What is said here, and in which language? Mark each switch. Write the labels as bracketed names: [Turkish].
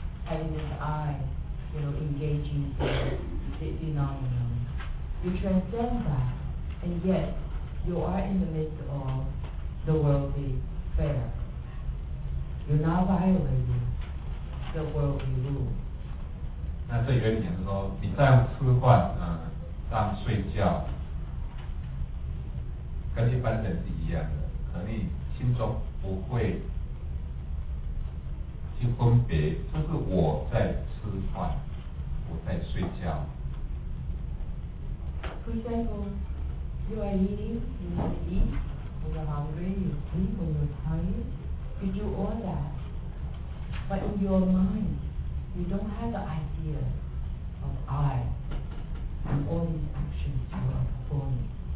[English] Having this I, you know, engaging the phenomenon. You transcend that, and yet you are in the midst of the worldly fair. You're not violating the worldly rule. [Chinese] 那这原点是说，你这样吃饭，这样睡觉，跟一般人是一样的，可你心中不会去分别，就是我在吃饭，我在睡觉。 [English] For example, you are eating, you eat, when you're hungry, you sleep, when you're tired, you do all that. But in your mind, you don't have the idea of I and all these actions you are performing.